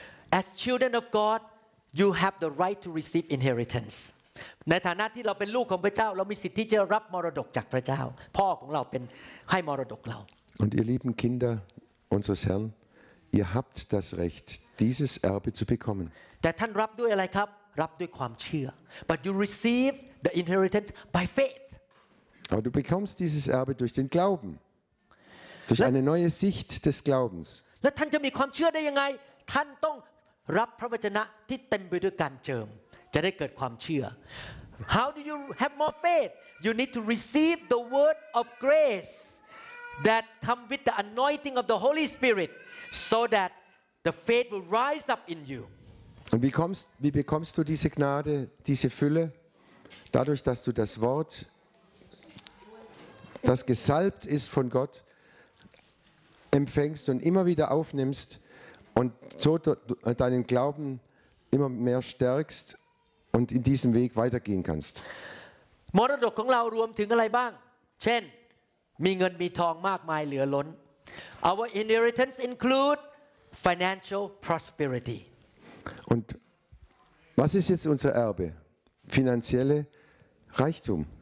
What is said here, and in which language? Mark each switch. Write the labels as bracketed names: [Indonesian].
[English] As children of God, you have the right to receive inheritance. [Thai] ในฐานะที่เราเป็นลูกของพระเจ้าเรามีสิทธิจะรับมรดกจากพระเจ้าพ่อของเราเป็นให้มรดกเรา [German] Und ihr lieben Kinder unseres Herrn, ihr habt das Recht, dieses Erbe zu bekommen. [Thai] แต่ท่านรับด้วยอะไรครับรับด้วยความเชื่อ [English] But you receive the inheritance by faith. [German] Aber du bekommst dieses Erbe durch den Glauben, durch eine neue Sicht des Glaubens. [Thai] แล้วท่านจะมีความเชื่อได้ยังไงท่านต้องรับพระวจนะที่เต็มไปด้วยการเจิมจะได้เกิดความเชื่อ [English] How do you have more faith? You need to receive the word of grace that come with the anointing of the Holy Spirit so that the faith will rise up in you. [German] Und wie bekommst du diese Gnade, diese Fülle? Dadurch, dass du das Wort, das gesalbt ist von Gott, empfängst und immer wieder aufnimmst und so deinen Glauben immer mehr stärkst und in diesem Weg weitergehen kannst. [Thai] มรดกของเรารวมถึงอะไรบ้างเช่นมีเงินมีทองมากมายเหลือล้น [English] Our inheritance include financial prosperity. [German] Und was ist jetzt unser Erbe? Finanzielle Reichtum.